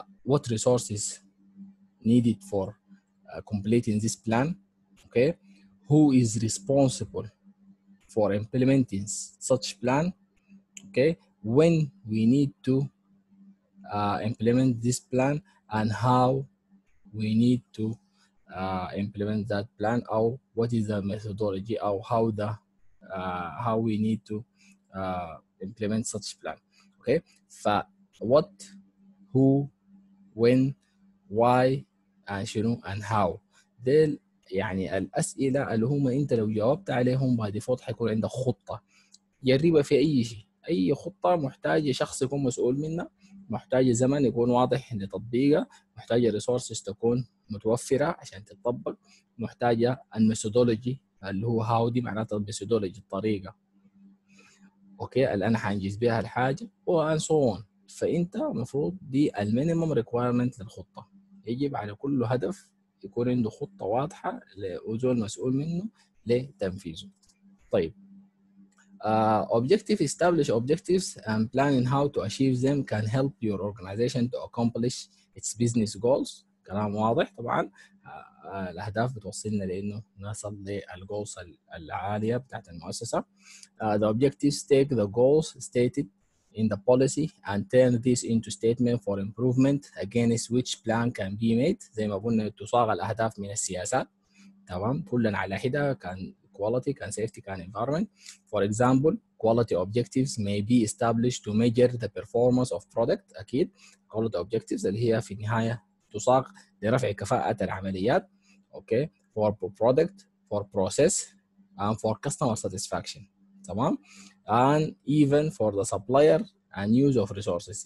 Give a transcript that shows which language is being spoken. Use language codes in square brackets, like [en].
[en] What resources needed for completing this plan؟ Okay Who is responsible for implementing such plan؟ Okay When we need to implement this plan and how we need to implement that plan or what is the methodology or how the how we need to implement such plan. Okay, so what, who, when, why, and شنو and how. [ar] ديل يعني الأسئلة اللي هما انت لو جاوبت عليهم by default حيكون عندك خطة يريبة في أي شيء. أي خطة محتاجة شخص يكون مسؤول منها، محتاجة زمن يكون واضح لتطبيقها، محتاجة resources تكون متوفرة عشان تطبق، محتاجة الميثودولوجي اللي هو هاو، دي معناتها الميثودولوجي الطريقة اوكي اللي انا حانجز بها الحاجة وان سو اون. فانت المفروض دي المينيمم ريكويرمنت للخطة، يجب على كل هدف يكون عنده خطة واضحة لوجوه المسؤول منه لتنفيذه. [en] طيب objective establish objectives and planning how to achieve them can help your organization to accomplish its business goals. [ar] كلام واضح طبعا. الاهداف بتوصلنا لانه نصل للجولز العاليه بتاعت المؤسسه. [en] The objectives take the goals stated in the policy and turn this into statement for improvement against which plan can be made. [ar] زي ما قلنا تصاغ الاهداف من السياسات تمام، كلا على حده، كان quality كان safety كان environment. [en] For example quality objectives may be established to measure the performance of product. [ar] اكيد quality objectives اللي هي في النهايه تصاغ لرفع كفاءة العمليات. اوكي [en] for product, for process, and for customer satisfaction. [ar] تمام؟ [en] And even for the supplier and use of resources.